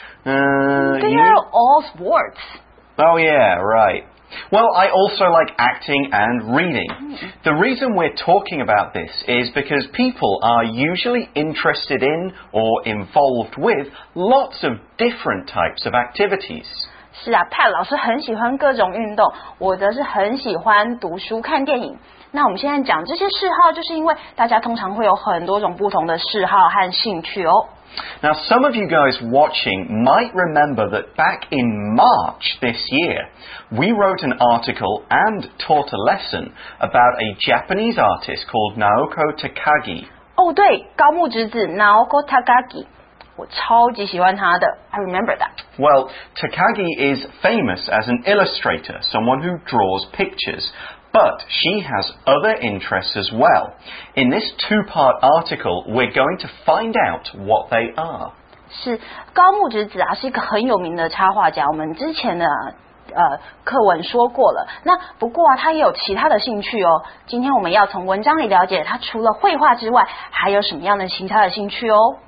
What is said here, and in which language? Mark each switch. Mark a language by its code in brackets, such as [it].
[en] They are all sports. Oh yeah, right. Well, I also like acting and reading. The reason we're talking about this is because people are usually interested in or involved with lots of different types of activities. [zh] 是啊，派老师很喜欢各种运动，我则是很喜欢读书、看电影。那我们现在讲这些嗜好，就是因为大家通常会有很多种不同的嗜好和兴趣哦。 [en] Now, some of you guys watching might remember that back in March this year, we wrote an article and taught a lesson about a Japanese artist called Naoko Takagi. [zh] Oh, 对，高木直子 Naoko Takagi. 我超级喜欢他的 [en] I remember that. Well, Takagi is famous as an illustrator, someone who draws pictures. But she has other interests as well. In this two-part article, we're going to find out what they are. [zh] 是高木直子啊，是一个很有名的插画家。我们之前的课文说过了。那不过啊，他也有其他的兴趣哦。今天我们要从文章里了解他除了绘画之外，还有什么样的其他的兴趣哦。